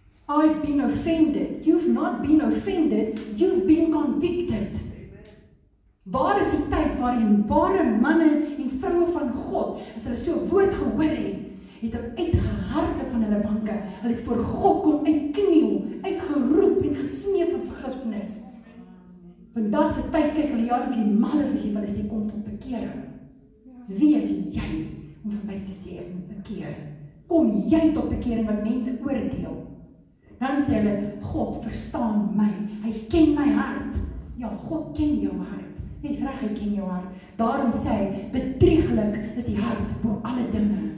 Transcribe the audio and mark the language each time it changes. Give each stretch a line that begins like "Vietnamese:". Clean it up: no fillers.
English: I've been offended. You've not been offended. You've been convicted.
Afrikaans: Waar is die tyd waar die ware manne en vroue van God, as hulle so 'n woord gehoor het, het hulle uitgeharde van hulle banke. Hulle het voor God kom uitkniel, uitgeroep en gesmeek vir vergifnis. Vandag se tyd kyk hulle jare of jy mal is as jy wil sê kom tot bekering. Wie is jy om vir my te sê ek moet bekeer? Kom jy tot bekering wat mense oordeel? Dan sê hulle, God verstaan my. Hy ken my hart. Ja, God ken jou hart. Jy's reg, hy ken jou hart. Daarom sê hy, bedrieglik is die hart bo alle dinge.